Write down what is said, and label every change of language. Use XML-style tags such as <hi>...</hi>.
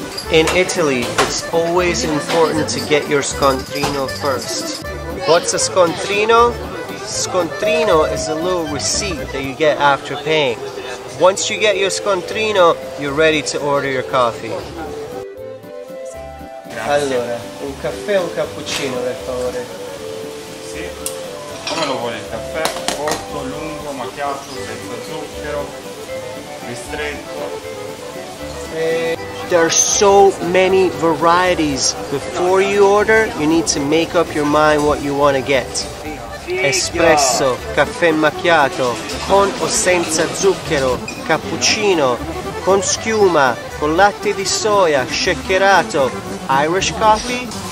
<en>In Italy, it's always important to get your scontrino first. What's a scontrino? Scontrino is a little receipt that you get after paying. Once you get your scontrino, you're ready to order your coffee.</en> <it>Grazie. Allora, un caffè o un cappuccino, per favore? Sì. Come lo vuole il caffè? Corto, lungo, macchiato, senza zucchero, ristretto.</it> <en>There are so many varieties. Before you order, you need to make up your mind what you want to get.</en> <it>Espresso, caffè macchiato, con o senza zucchero, cappuccino, con schiuma, con latte di soia, shakerato, Irish coffee?</it>